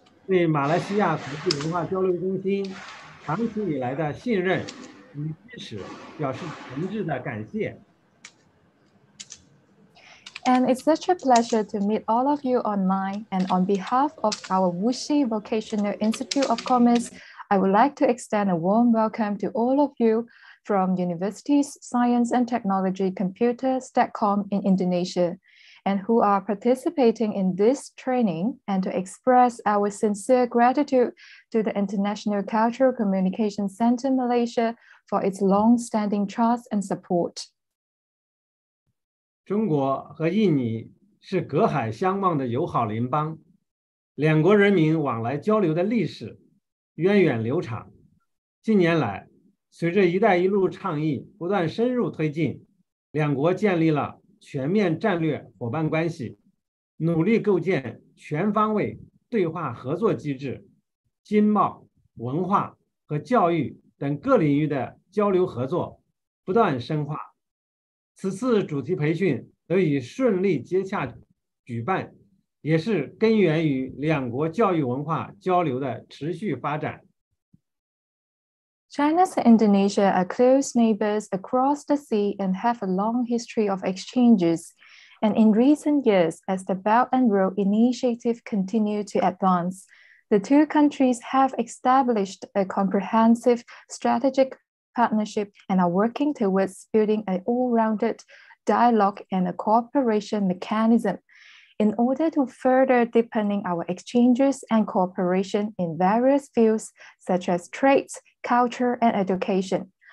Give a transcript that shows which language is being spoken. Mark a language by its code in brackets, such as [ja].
[zh] 对马来西亚国际文化交流中心长期以来的信任与支持表示诚挚的感谢。 [en] And it's such a pleasure to meet all of you online, and on behalf of our Wuxi Vocational Institute of Commerce, I would like to extend a warm welcome to all of you from Universities Science and Technology Computer STEKOM in Indonesia, and who are participating in this training, and to express our sincere gratitude to the International Cultural Communication Center Malaysia for its long-standing trust and support. [zh] 中国和印尼是隔海相望的友好邻邦, 两国人民往来交流的历史源远流长。近年来, 随着一带一路倡议不断深入推进, 两国建立了 全面战略伙伴关系，努力构建全方位对话合作机制，经贸、文化和教育等各领域的交流合作不断深化。此次主题培训得以顺利接洽举办，也是根源于两国教育文化交流的持续发展。 [en] China's and Indonesia are close neighbors across the sea and have a long history of exchanges. And in recent years, as the Belt and Road Initiative continued to advance, the two countries have established a comprehensive strategic partnership and are working towards building an all-rounded dialogue and a cooperation mechanism in order to further deepen our exchanges and cooperation in various fields such as trade, culture, and education.